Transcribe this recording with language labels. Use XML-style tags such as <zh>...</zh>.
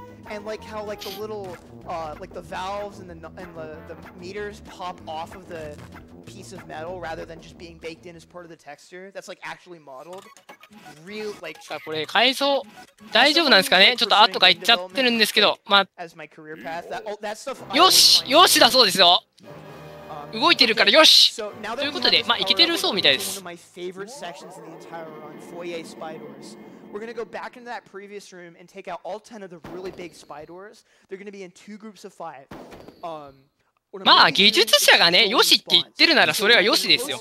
<en>And like how like the little like the valves and the meters pop off of the piece of metal rather than just being baked in as part of the texture that's like actually modeled. Real like.</en> <ja>さあ、これ改造大丈夫なんですかね。ちょっと後が言っちゃってるんですけど、まあ。よしよしだそうですよ。動いてるからよし。ということで、まあいけてるそうみたいです。</ja> <en>We're gonna go back into that previous room and take out all 10 of the really big spy doors. They're gonna be in two groups of five.</en> <ja>まあ技術者がね、よしって言ってるならそれはよしですよ。</ja>